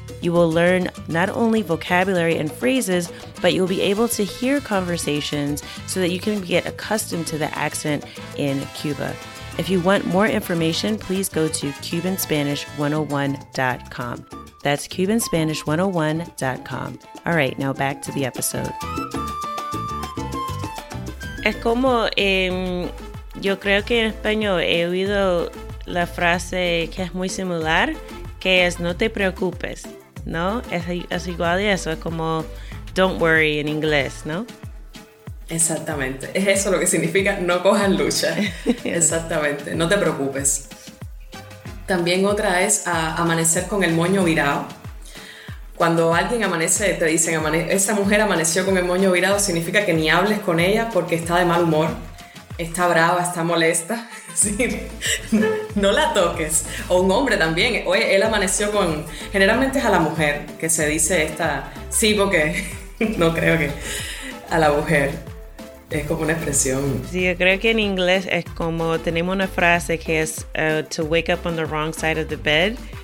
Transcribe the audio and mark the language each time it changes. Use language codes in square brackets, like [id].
[en] You will learn not only vocabulary and phrases, but you'll be able to hear conversations so that you can get accustomed to the accent in Cuba. If you want more information, please go to CubanSpanish101.com. That's CubanSpanish101.com. All right, now back to the episode. [es] Es como, yo creo que en español he oído la frase que es muy similar, que es no te preocupes. ¿No? Es igual a eso, es como [en] don't worry [es] en inglés, ¿no? Exactamente, es eso lo que significa no cojan lucha. Exactamente, no te preocupes. También otra es amanecer con el moño virado. Cuando alguien amanece, te dicen, esa mujer amaneció con el moño virado, significa que ni hables con ella porque está de mal humor, está brava, está molesta. Sí. No la toques. O un hombre también. Oye, él amaneció con... Generalmente es a la mujer que se dice esta... Sí, porque no creo que... A la mujer. Es como una expresión. Sí, yo creo que en inglés es como... Tenemos una frase que es... [en] to wake up on the wrong side of the bed.